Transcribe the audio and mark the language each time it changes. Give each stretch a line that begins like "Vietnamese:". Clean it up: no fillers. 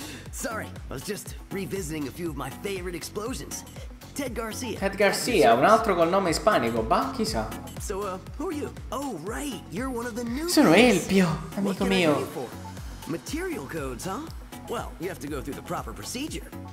English: Sorry, I was just revisiting a few of my favorite explosions. Ted Garcia.
Italian: Ted Garcia, un altro col nome ispanico, ma chissà.
English: So, who are you? Oh, right, you're one of the new.
Italian: Sono Elpio, amico mio.
English: Material codes, huh? Well, you have to go through the proper procedure.